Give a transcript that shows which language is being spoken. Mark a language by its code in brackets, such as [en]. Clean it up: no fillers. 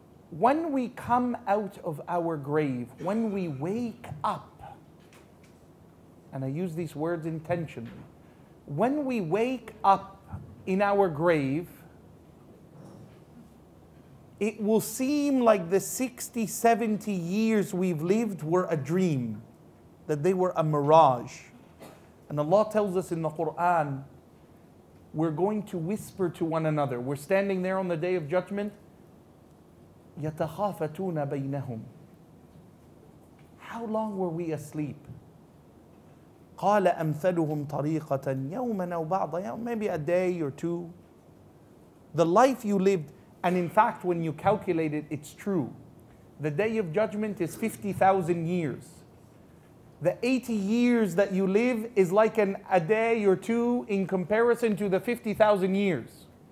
[en] When we come out of our grave, when we wake up, and I use these words intentionally, when we wake up in our grave, it will seem like the 60, 70 years we've lived were a dream, that they were a mirage. And Allah tells us in the Quran, we're going to whisper to one another. We're standing there on the Day of Judgment. [ar] يَتَخَافَتُونَ بَيْنَهُمْ [en] How long were we asleep? [ar] قَالَ أَمْثَلُهُمْ طَرِيقَةً يَوْمًا أَوْ بَعْضًا يَوْمًا [en] Maybe a day or two. The life you lived, and in fact when you calculate it, it's true. The Day of Judgment is 50,000 years. The 80 years that you live is like a day or two in comparison to the 50,000 years.